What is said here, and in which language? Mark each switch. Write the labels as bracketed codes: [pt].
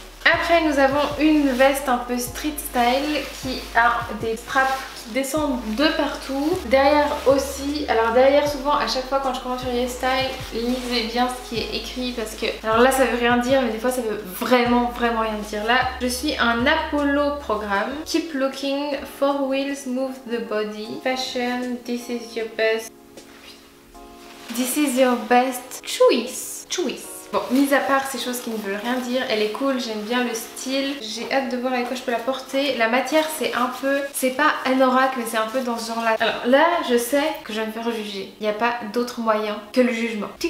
[fr] Après nous avons une veste un peu street style qui a des straps qui descendent de partout. Derrière aussi, alors derrière souvent à chaque fois quand je commence sur YesStyle, lisez bien ce qui est écrit parce que... Alors là ça veut rien dire mais des fois ça veut vraiment vraiment rien dire. Là je suis un Apollo programme. [en] Keep looking, four wheels move the body, fashion, this is your best... This is your best choice. Choice. [fr] Bon, mis à part ces choses qui ne veulent rien dire, elle est cool, j'aime bien le style, j'ai hâte de voir avec quoi je peux la porter. La matière c'est un peu, c'est pas anorak mais c'est un peu dans ce genre là. Alors là je sais que je vais me faire juger, il n'y a pas d'autre moyen que le jugement.